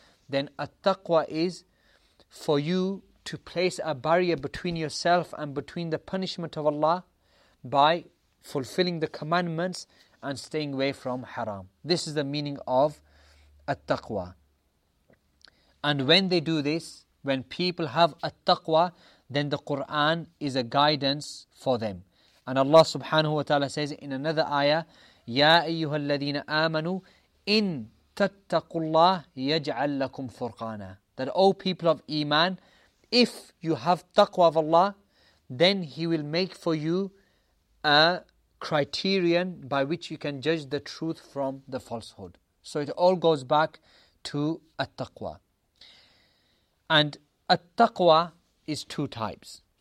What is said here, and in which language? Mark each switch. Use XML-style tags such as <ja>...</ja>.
<en>Then at-taqwa is for you to place a barrier between yourself and between the punishment of Allah by fulfilling the commandments and staying away from haram. This is the meaning of at-taqwa. And when they do this, when people have at-taqwa, then the Qur'an is a guidance for them. And Allah subhanahu wa ta'ala says in another ayah,</en> <ar>يَا أَيُّهَا الَّذِينَ آمَنُوا إِن تَتَّقُوا اللَّهِ يَجْعَلْ لَكُمْ فُرْقَانًا.</ar> <en>That, O people of Iman, if you have taqwa of Allah, then He will make for you a criterion by which you can judge the truth from the falsehood. So it all goes back to at-taqwa. And at-taqwa is two types.</en>